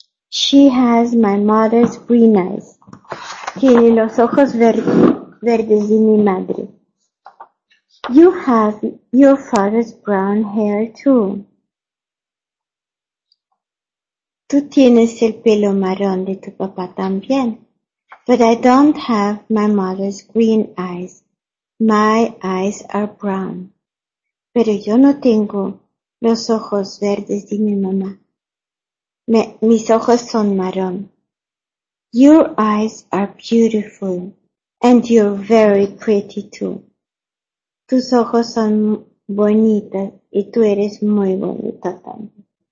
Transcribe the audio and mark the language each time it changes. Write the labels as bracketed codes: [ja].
[en] She has my mother's green eyes. [es] Tiene los ojos verdes de mi madre. [en] You have your father's brown hair too. [es] Tú tienes el pelo marrón de tu papá también. [en] But I don't have my mother's green eyes. My eyes are brown. [es] Pero yo no tengo los ojos verdes de mi mamá. Mis ojos son marrón. [en] Your eyes are beautiful and you're very pretty too. [es] Tus ojos son bonitas y tú eres muy bonita también.